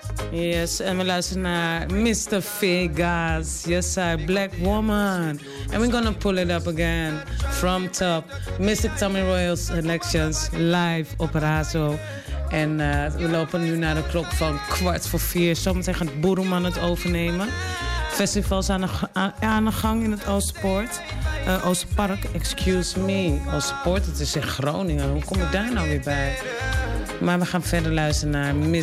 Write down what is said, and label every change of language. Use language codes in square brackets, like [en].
[nl] Yes, en we luisteren naar Mr. [en] Vegas. Yes, I, Black Woman. And we're gonna pull it up again from top. [nl] Mystic Tommy Royals Elections live op Razo. En we lopen nu naar de klok van 4:15. Zometeen gaat Boeroman het overnemen. Festivals aan de gang in het Oosterpoort. Oosterpark, [en] excuse me. [nl] Oosterpoort, het is in Groningen. Hoe kom ik daar nou weer bij? Maar we gaan verder luisteren naar Mr.